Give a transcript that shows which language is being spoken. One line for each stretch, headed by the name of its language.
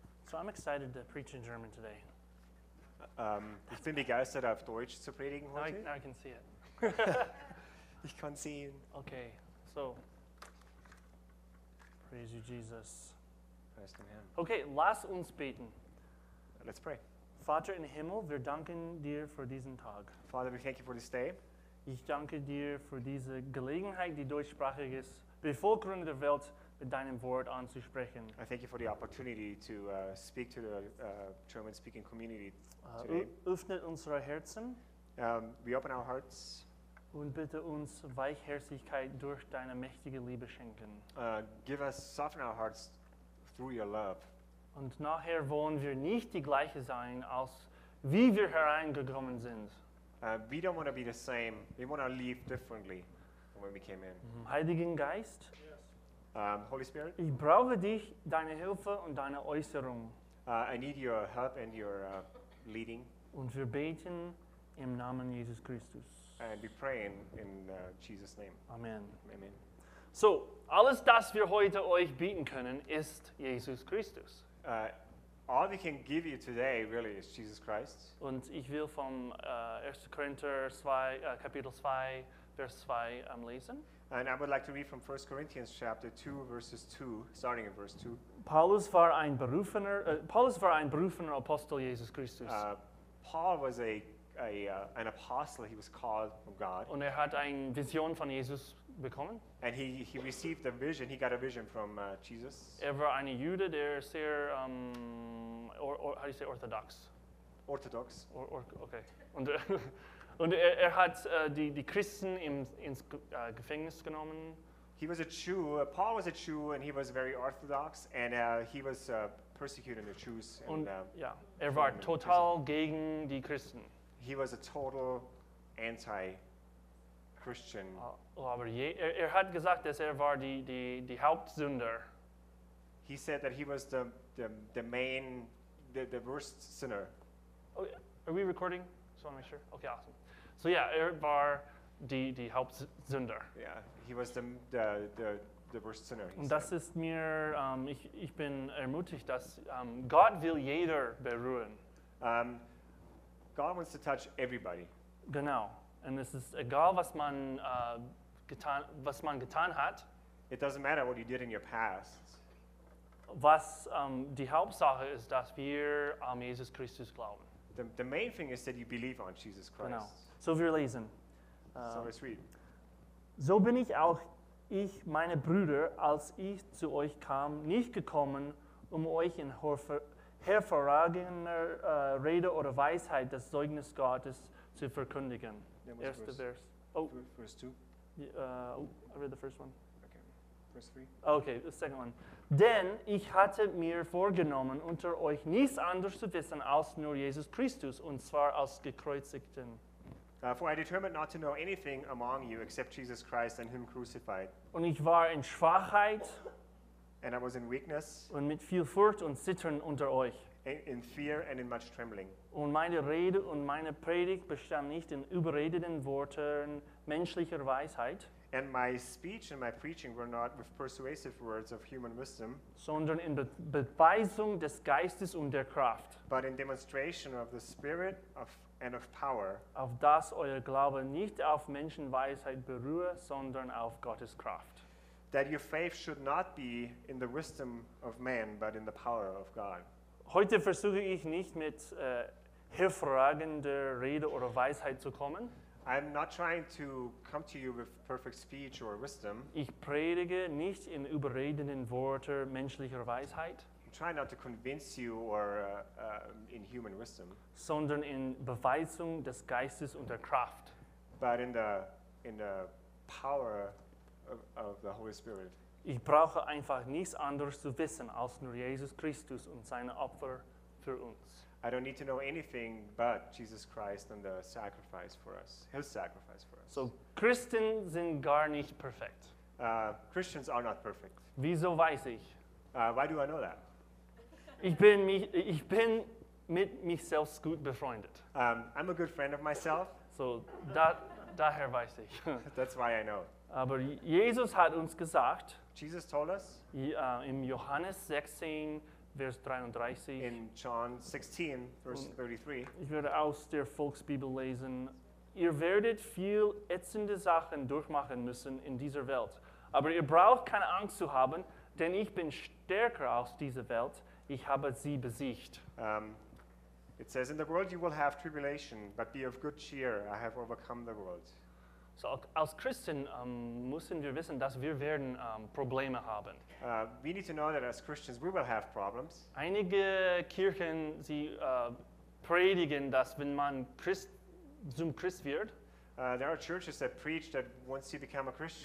English: So I'm excited to preach in German today.
German: Ich bin begeistert, auf Deutsch zu predigen heute.
English: Now I can see it.
German: Ich kann sehen.
English: Okay, so. Praise you, Jesus. Praise the Lord.
German: Okay, lass uns beten.
English: Let's pray.
German: Vater im Himmel, wir danken dir für diesen Tag.
English: Father, we thank you for this day.
German: Ich danke dir für diese Gelegenheit, die deutschsprachige Bevölkerung der Welt mit deinem Wort anzusprechen.
English: I thank you for the opportunity to speak to the German-speaking community today.
German: Öffnet unsere Herzen.
English: We open our hearts.
German: Und bitte uns Weichherzigkeit durch deine mächtige Liebe schenken.
English: Give us, soften our hearts through your love.
German: Und nachher wollen wir nicht die gleiche sein, als wie wir hereingekommen sind.
English: We don't want to be the same. We want to live differently than when we came in.
German: Heiligen Geist.
English: Holy Spirit.
German: Ich brauche dich, deine Hilfe und deine Äußerung.
English: I need your help and your leading.
German: Und wir beten im Namen Jesus Christus.
English: And we pray in Jesus' name.
German: Amen.
English: Amen.
German: So, alles, das wir heute euch bieten können, ist Jesus Christus.
English: All we can give you today, really, is Jesus Christ.
German: Und ich will vom 1. Korinther 2, Kapitel 2, Vers 2 lesen.
English: And I would like to read from 1 Corinthians chapter 2, verses 2, starting in verse 2.
German: Paulus war ein berufener Apostel Jesus Christus.
English: Paul was an apostle. He was called from God.
German: Und hat eine Vision von Jesus bekommen.
English: And he received a vision. He got a vision from Jesus.
German: War eine Jude, der sehr,
English: how do you say,
German: orthodox?
English: Orthodox. Okay.
German: Und und hat die Christen ins Gefängnis genommen.
English: He was a Jew. Paul was a Jew, and he was very orthodox, and he was persecuting the Jews.
German: Und war total gegen die Christen.
English: He was a total anti-Christian.
German: Hat gesagt, dass war die Hauptsünder.
English: He said that he was the worst sinner. Are we recording? Just want to make sure. Okay, awesome. So yeah,
German: war die Hauptsünder.
English: Yeah, he was the worst sinner.
German: Und das ist mir, ich bin ermutigt, dass Gott will jeder berühren.
English: God wants to touch everybody.
German: Genau. Und es ist egal, was man getan hat.
English: It doesn't matter what you did in your past.
German: Was die Hauptsache ist, dass wir an Jesus Christus glauben.
English: The main thing is that you believe on Jesus Christ.
German: Genau. So wir lesen.
English: So let's read.
German: So bin ich auch, ich, meine Brüder, als ich zu euch kam, nicht gekommen, um euch in hervorragender Rede oder Weisheit des Zeugnis Gottes zu verkündigen. Erster Vers. Oh. Vers 2.
English: I read the first one.
German: Okay. Vers
English: 3. Okay, the second one.
German: Denn ich hatte mir vorgenommen, unter euch nichts anderes zu wissen als nur Jesus Christus, und zwar als Gekreuzigten.
English: For I determined not to know anything among you except Jesus Christ and him crucified.
German: Und ich war in Schwachheit.
English: And I was in weakness.
German: Und mit viel Furcht und Zittern unter euch.
English: In fear and in much trembling.
German: Und meine Rede und meine Predigt bestand nicht in überredenden Worten menschlicher Weisheit.
English: And my speech and my preaching were not with persuasive words of human wisdom.
German: Sondern in Beweisung des Geistes und der Kraft.
English: But in demonstration of the Spirit and of power.
German: Auf das euer Glaube nicht auf Menschenweisheit beruhe, sondern auf Gottes Kraft.
English: That your faith should not be in the wisdom of man, but in the power of God.
German: Heute versuche ich nicht mit hervorragender Rede oder Weisheit zu kommen.
English: I'm not trying to come to you with perfect speech or wisdom.
German: Ich predige nicht in überredenden Worten menschlicher Weisheit.
English: I'm trying not to convince you or in human wisdom.
German: Sondern in Beweisung des Geistes und der Kraft.
English: But in the power of the Holy Spirit.
German: Ich brauche einfach nichts anderes zu wissen als nur Jesus Christus und seine Opfer für uns.
English: I don't need to know anything but Jesus Christ and the sacrifice for us, his sacrifice for us.
German: So Christen sind gar nicht perfekt.
English: Christians are not perfect.
German: Wieso weiß ich?
English: Why do I know that?
German: Ich bin mit mich selbst gut befreundet.
English: I'm a good friend of myself.
German: So daher weiß ich.
English: That's why I know.
German: Aber Jesus hat uns gesagt,
English: Jesus told us,
German: im Johannes 16, Vers 33,
English: in John 16, verse
German: 33, ich werde aus der Volksbibel lesen, ihr werdet viel ätzende Sachen durchmachen müssen in dieser Welt, aber ihr braucht keine Angst zu haben, denn ich bin stärker als diese Welt, ich habe sie besiegt.
English: It says, in the world you will have tribulation, but be of good cheer, I have overcome the world.
German: So als Christen müssen wir wissen, dass wir werden Probleme haben.
English: We need to know that as Christians we will have problems.
German: Einige Kirchen, sie predigen, dass wenn man zum Christ wird,
English: there are churches that preach that once you become a Christian,